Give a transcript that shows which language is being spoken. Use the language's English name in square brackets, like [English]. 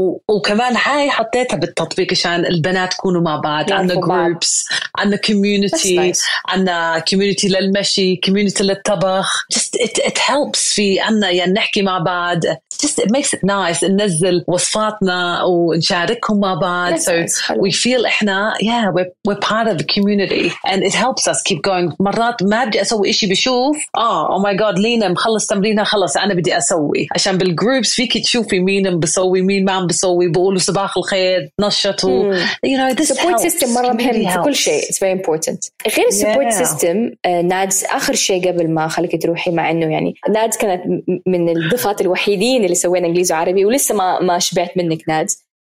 [Arabic] وكمان هاي حطيتها بالتطبيق عشان البنات كونوا مع بعض. عنا groups, عنا community, عنا community للمشي, community للطبخ. [English] just it helps. [Arabic] في عنا يعني نحكي مع بعض. [English] just it makes it nice. [Arabic] ننزل وصفاتنا ونشاركهم مع بعض. [English] That's so nice. We feel إحنا we're part of the community and it helps us keep going. [Arabic] مرات ما بدي أسوي إشي بشوف [English] oh my god [Arabic] لينا مخلص تمرينها خلص أنا بدي أسوي. عشان بالجروبس فيك تشوفي مين بسوي مين ما عم بسوي, بقولوا صباح الخير نشطوا. [English] You know, this support helps. System [Arabic] مرة مهم في كل شيء. [English] It's very important. [Arabic] غير support system نادز آخر شيء قبل ما خليك تروحي, مع أنه يعني نادز كانت من الضفات الوحيدين اللي سوينا إنجليزي وعربي ولسه ما شبعت منك نادز.